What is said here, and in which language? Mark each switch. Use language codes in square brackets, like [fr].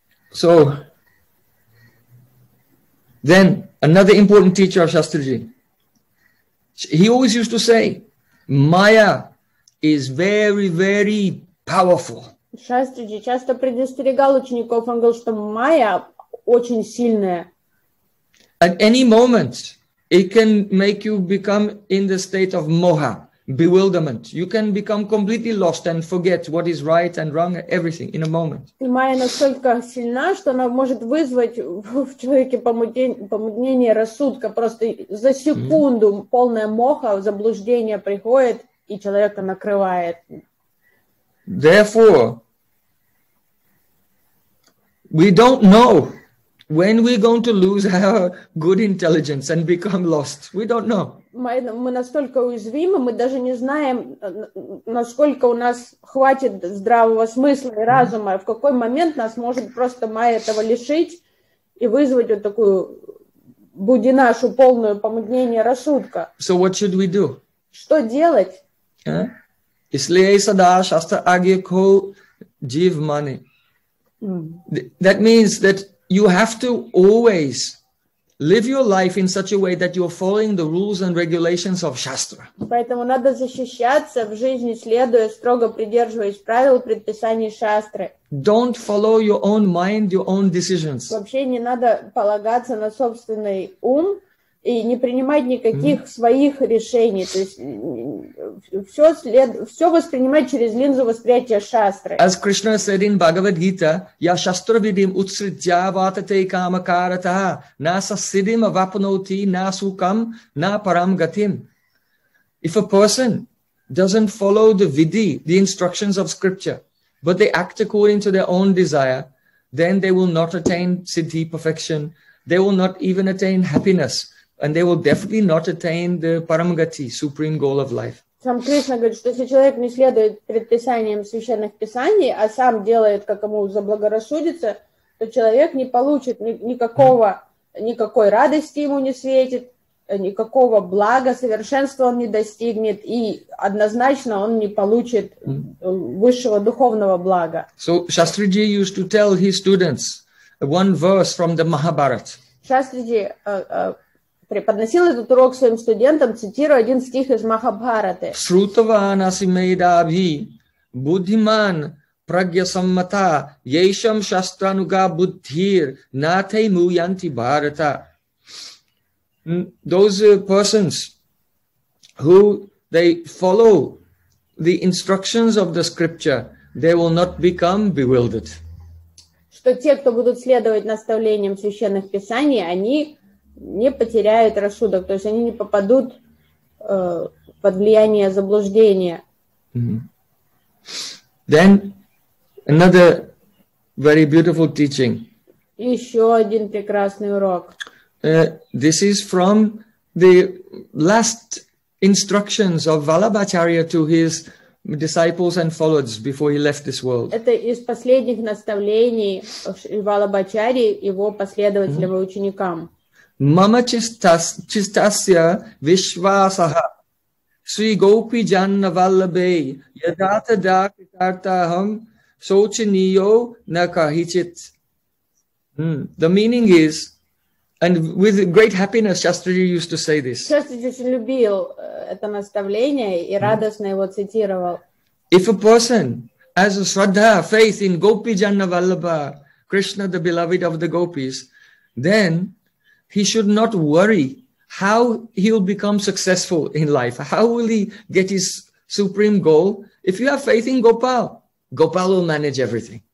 [en] So, then, another important teacher of Shastriji. He always used to say, Maya is very, very powerful. [ru] Шастриджи часто предостерегал учеников, он говорил, что Maya очень сильная. [en] At any moment, it can make you become in the state of moha, bewilderment. You can become completely lost and forget what is right and wrong, everything, in a moment. [ru] Maya настолько сильна, что она может вызвать в человеке помутнение рассудка. Просто за секунду полная моха, заблуждение приходит, и человека накрывает. [en] Therefore, we don't know when we're going to lose our good intelligence and become lost. We don't know. [ru] Мы настолько уязвимы, мы даже не знаем, насколько у нас хватит здравого смысла и разума, в какой момент нас может просто Майя этого лишить и вызвать вот такую будинашу полную помутнение рассудка. [en] So what should we do? [ru] Что делать? [sa] Исле сада шаста агья ко джив мани. [en] That means that you have to always live your life in such a way that you're following the rules and regulations of Shastra. [ru] Поэтому надо защищаться в жизни, следуя, строго придерживаясь правил предписаний Шастры. Don't follow your own mind, your own decisions. Вообще не надо полагаться на собственный ум и не принимать никаких своих решений. То есть все воспринимать через линзу восприятия шастры. [en] As Krishna said in Bhagavad Gita, [sa] Я шастра видим утсриджа ватате кама каратаха на сасидим авапноти на сукам на парам гатим. [en] If a person doesn't follow the vidhi, the instructions of scripture, but they act according to their own desire, then they will not attain siddhi, perfection. They will not even attain happiness. And they will definitely not attain the paramagati, supreme goal of life. [ru] Сам Кришна говорит, что если человек не следует предписаниям священных писаний, а сам делает, как ему заблагорассудится, то человек не получит никакой радости ему не светит, никакого блага, совершенства он не достигнет, и однозначно он не получит высшего духовного блага. [en] So Shastriji used to tell his students one verse from the Mahabharata. [ru] Shastriji преподносил этот урок своим студентам, цитируя один стих из Махабхараты. [sa] Срутавана симейдабхи буддхиман прагьясаммата ейшам шастрануга буддхир натэ муянти бхарата. [en] Those persons who they follow the instructions of the scripture, they will not become bewildered. [ru] что те, кто будут следовать наставлениям священных писаний, они не потеряют рассудок, то есть они не попадут под влияние заблуждения. [en] Then another very beautiful teaching. [ru] Еще один прекрасный урок. [en] This is from the last instructions of Vallabhacharya to his disciples and followers before he left this world. [ru] Это из последних наставлений Валабхачари его последователям и ученикам. [sa] Mama chistasya vishvasaha sri gopi janna vallabe yadata da kritartaham sochaniyo na kahichit. [en] The meaning is, and with great happiness, Shastriji used to say this. [ru] Shastriji очень любил это наставление и радостно его цитировал. [en] If a person has a shraddha, faith in Gopi Janna Vallabha, Krishna, the beloved of the gopis, then he should not worry how he will become successful in life. How will he get his supreme goal? If you have faith in Gopal, Gopal will manage everything.